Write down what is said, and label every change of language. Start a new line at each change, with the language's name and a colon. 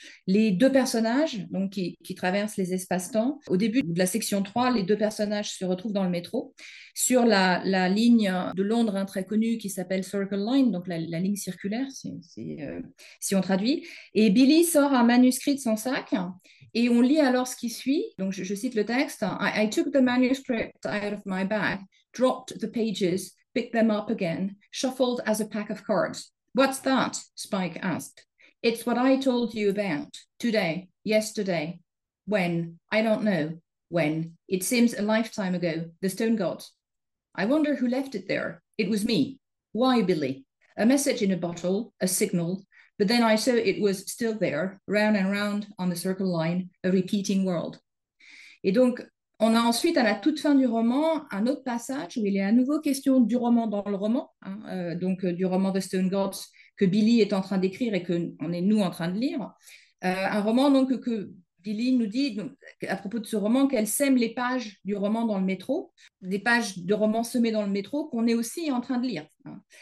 French: Les deux personnages donc, qui traversent les espaces-temps, au début de la section 3, les deux personnages se retrouvent dans le métro, sur la ligne de Londres hein, très connue qui s'appelle Circle Line, donc la ligne circulaire, si on traduit. Et Billy sort un manuscrit de son sac et on lit alors ce qui suit. Donc, je cite le texte.
English: « I took the manuscript out of my bag, dropped the pages, picked them up again, shuffled as a pack of cards. » What's that? Spike asked. It's what I told you about today, yesterday. When? I don't know. When? It seems a lifetime ago. The stone god. I wonder who left it there. It was me. Why, Billy? A message in a bottle, a signal. But then I saw it was still there, round and round on the circle line, a repeating world.
French: Et donc, on a ensuite, à la toute fin du roman, un autre passage où il est à nouveau question du roman dans le roman, hein, donc du roman The Stone Gods que Billy est en train d'écrire et qu'on est nous en train de lire. Un roman donc que Billy nous dit, donc, à propos de ce roman, qu'elle sème les pages du roman dans le métro, des pages de roman semées dans le métro qu'on est aussi en train de lire. Hein.